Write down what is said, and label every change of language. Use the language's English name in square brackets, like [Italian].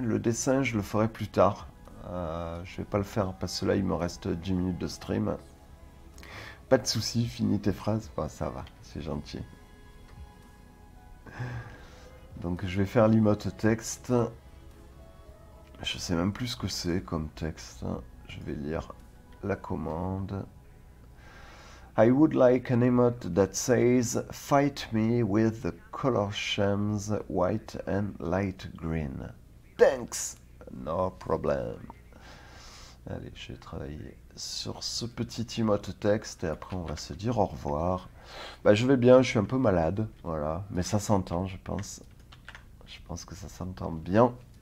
[French] Le dessin, je le ferai plus tard. Je vais pas le faire parce que là, il me reste 10 minutes de stream. Pas de soucis, finis tes phrases. Bon, ça va, c'est gentil. Donc, je vais faire l'emote texte. Je sais même plus ce que c'est comme texte. Je vais lire la commande. [English] I would like an emote that says Fight me with the color schemes white and light green. Thanks! No problem. [French] Allez, je vais travailler sur ce petit emote texte et après on va se dire au revoir. Bah, je vais bien, je suis un peu malade, voilà, mais ça s'entend, je pense. Je pense que ça s'entend bien.